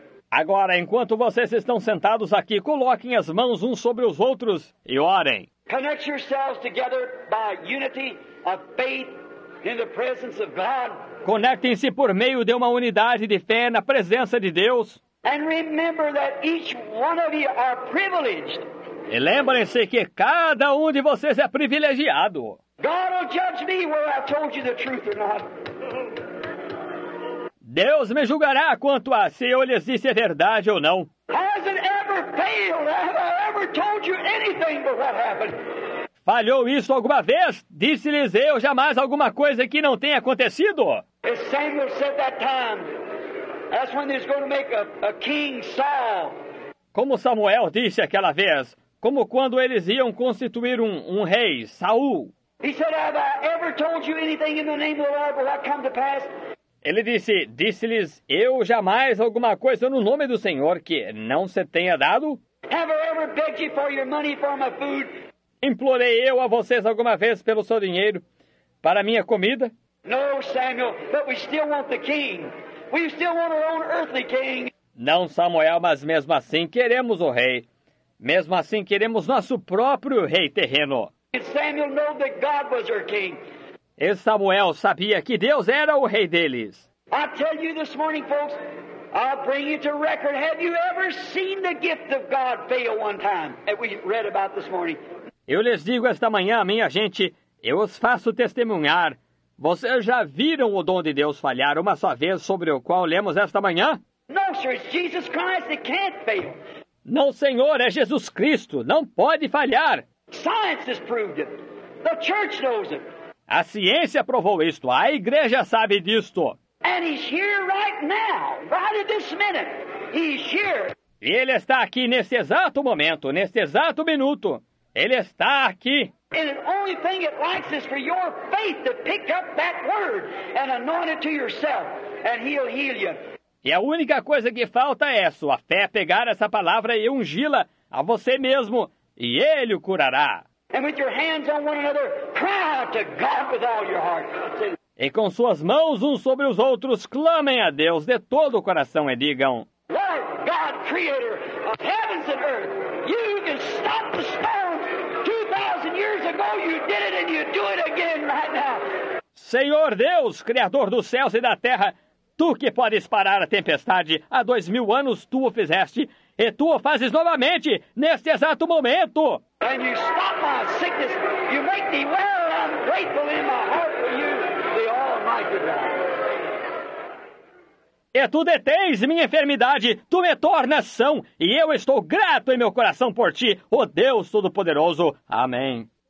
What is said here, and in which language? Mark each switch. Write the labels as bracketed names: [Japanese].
[Portuguese] Agora, enquanto vocês estão sentados aqui, coloquem as mãos uns sobre os outros e orem. [English] Connect yourselves together by unity of faith in the presence of God. [Portuguese] Conectem-se por meio de uma unidade de fé na presença de Deus. [English] And remember that each one of you are privileged. [Portuguese] E lembrem-se que cada um de vocês é privilegiado. [English] God will judge me whether I've told you the truth or not. [Portuguese] Deus me julgará quanto a se eu lhes disse a verdade ou não. [English] Has it ever failed? Have I ever told you anything but what happened? [Portuguese] Falhou isso alguma vez? Disse-lhes eu jamais alguma coisa que não tenha acontecido? [English] As Samuel said that time. That's when he's going to make a king Saul. [Portuguese] Como Samuel disse aquela vez, como quando eles iam constituir um rei, Saul. [English] He said, have I ever told you anything in the name of the Lord will come to pass? [Portuguese] Ele disse, disse-lhes, eu jamais alguma coisa no nome do Senhor que não se tenha dado? [English] Have I ever begged you for your money for my food? [Portuguese] Implorei eu a vocês alguma vez pelo seu dinheiro para minha comida? [English] No, Samuel, but we still want the king. We still want our own earthly king. [Portuguese] Não, Samuel, mas mesmo assim queremos o rei. Mesmo assim queremos nosso próprio rei terreno. [English] And Samuel knew that God was our king. [Portuguese] E Samuel sabia que Deus era o rei deles. [English] I tell you this morning, folks, I'll bring you to record. Have you ever seen the gift of God fail one time that we read about this morning? [Portuguese] Eu lhes digo esta manhã, minha gente, eu os faço testemunhar. Vocês já viram o dom de Deus falhar uma só vez sobre o qual lemos esta manhã? [English] No, sir, it's Jesus Christ. It can't fail. [Portuguese] Não, Senhor, é Jesus Cristo. Não pode falhar. [English] Science has proved it. The church knows it. [Portuguese] A ciência provou isto. A igreja sabe disto. [English] And he's here right now, right at this minute. He's here. [Portuguese] E ele está aqui neste exato momento, neste exato minuto. Ele está aqui. [English] And the only thing it likes is for your faith to pick up that word and anoint it to yourself, and he'll heal you. [Portuguese] E a única coisa que falta é sua fé pegar essa palavra e ungi-la a você mesmo, e ele o curará. [English] And with your hands on one another, cry out to God with all your heart. [Portuguese] E com suas mãos uns sobre os outros, clamem a Deus de todo o coração e digam: [English] Lord God, creator of heavens and earth, you can stop the stone. 2,000 years ago you did it and you do it again right now. [Portuguese] Senhor Deus, criador dos céus e da terra, Tu que podes parar a tempestade, há 2,000 anos Tu o fizeste, e Tu o fazes novamente, neste exato momento. [English] And you stop my sickness. You make me well. I'm grateful in my heart for you, the Almighty God. [Portuguese] E Tu detens minha enfermidade, Tu me tornas são, e eu estou grato em meu coração por Ti, ó Deus Todo-Poderoso. Amém.